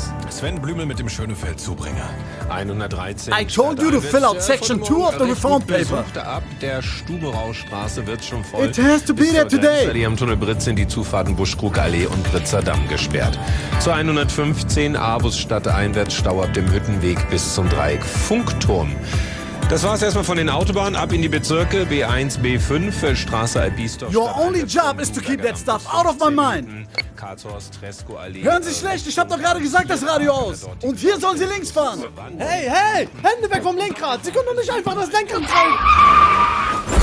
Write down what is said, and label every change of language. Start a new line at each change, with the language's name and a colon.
German: Sven Blümel mit dem Schönefeld Zubringer. 113.
English: I told you to fill out section 2 of the reform paper.
German: Ab der Stuberaustraße wird schon voll.
English: It has to be there today.
German: Bis zur Tunnel Britz sind die Zufahrten Buschkrug Allee und Britzer Damm gesperrt. Zur 115 Abus stadteinwärts Stau ab dem Hüttenweg bis zum Dreieck Funkturm. Das war's erstmal von den Autobahnen ab in die Bezirke B1, B5, Straße Albiesdorf.
English: Your only job is to keep that stuff out of my mind.
German: Karlshorst, Tresco Allee. Hören Sie schlecht, ich hab doch gerade gesagt, das Radio aus. Und hier sollen Sie links fahren. Hey, hey, Hände weg vom Lenkrad. Sie können doch nicht einfach das Lenkrad drehen.